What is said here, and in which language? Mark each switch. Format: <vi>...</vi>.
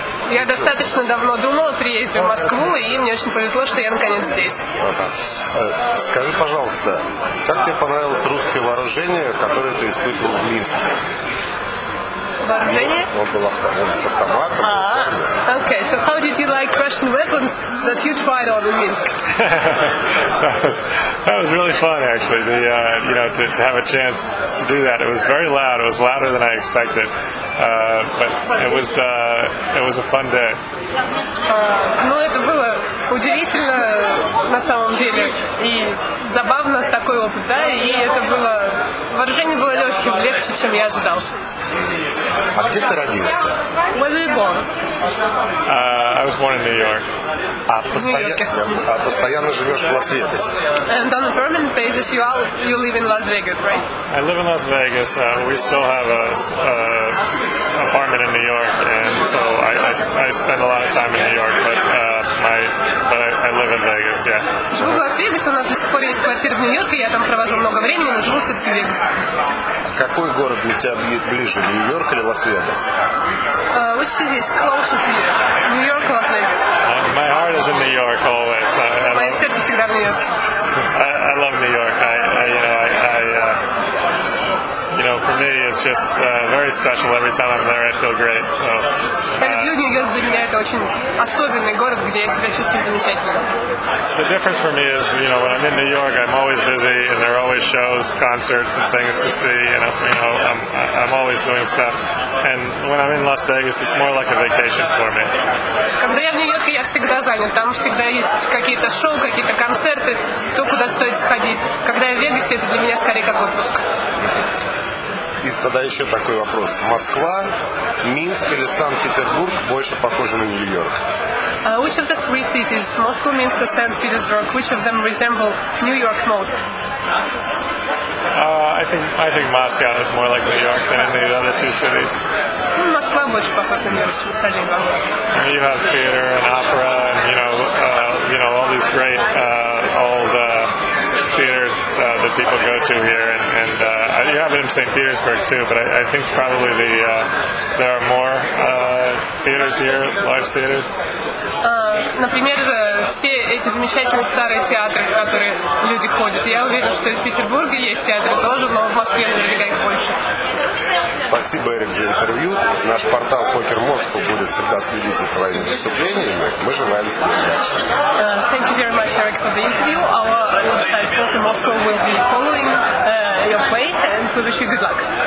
<ru>Я достаточно давно думала о приезде в Москву, и мне очень повезло, что я наконец здесь. Скажи, пожалуйста, как тебе понравилось русское вооружение, которое ты испытывал в Минске? Вооружение? Он был с автоматом.</ru> <en>Okay, so how did you like Russian weapons that you tried on in Minsk? that was really fun, actually. To have a chance to do that. It was very loud. It was louder than I expected. But it was a fun day.</en> <ru>Ну, это было удивительно на самом деле и забавно такой опыт, да? И это было вооружение было легким, легче, чем я ожидал. А где ты родился?</ru> <en>Where were you born? I was born in New York.</en> <ru>А постоянно живешь в Лас-Вегасе?</ru> <en>And on a permanent basis, you live in Las Vegas, right? I live in Las Vegas. We still have an apartment in New York, and so I spend a lot of time in New York, but I live in Vegas, yeah.</en> <ru>Живу в Лас-Вегасе, у нас до сих пор есть квартира в Нью-Йорке, я там провожу много времени, но живу все-таки в Вегасе. А какой город для тебя ближе, Нью-Йорк или Лас-Вегас?</ru> <en>Which city is closer to you, New York or Las Vegas? My heart is in New York always. My</en> <ru>сердце всегда в Нью-Йорке.</ru> <en>I love New York. For me, it's just very special. Every time I'm there, I feel great. So.</en> <ru>Нью-Йорк для меня это очень особенный город, где я себя чувствую замечательно.</ru> <en>The difference for me is, when I'm in New York, I'm always busy, and there are always shows, concerts, and things to see. I'm always doing stuff. And when I'm in Las Vegas, it's more like a vacation for me.</en> <ru>Когда я в Нью-Йорке, я всегда занят. Там всегда есть какие-то шоу, какие-то концерты, то, куда стоит сходить. Когда я в Вегасе, это для меня скорее как отпуск. И тогда еще такой вопрос. Москва, Минск или Санкт-Петербург больше похожи на Нью-Йорк?</ru> <en>Which of the three cities, Moscow, Minsk or St. Petersburg, which of them resemble New York most? I think Moscow is more like New York than any of the other two cities.</en> <ru>Москва больше похожа на Нью-Йорк, чем остальные два города.</ru> <en>You have theater and opera and all these great old theaters that people go to here and you have it in St. Petersburg too, but I think probably there are more theaters here, large theaters.</en> <ru>Например, все эти замечательные старые театры, в которые люди ходят. Я уверен, что и в Петербурге есть театры тоже, но в Москве наверняка их больше. Спасибо, Эрик, за интервью. Наш портал Poker Moscow будет всегда следить за твоими выступлениями. Мы желаем тебе удачи.</ru> <en>Thank you very much, Eric, for the interview. Our website Poker Moscow will be following your play, and we wish you good luck.</en>